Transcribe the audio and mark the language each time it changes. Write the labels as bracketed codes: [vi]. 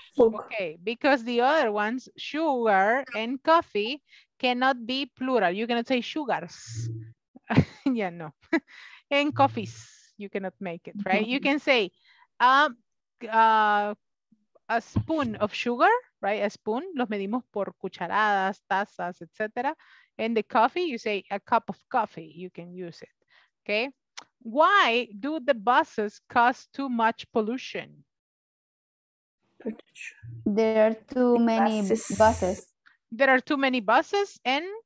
[en] Okay, because the other ones, sugar and coffee, cannot be plural. You cannot say sugars. Yeah, no. And coffees, you cannot make it, right? You can say a spoon of sugar, right? A spoon, [es] los medimos por cucharadas, tazas, etc. [en] And the coffee, you say a cup of coffee, you can use it, okay? Why do the buses cause too much pollution? There are too many buses. There are too many buses and?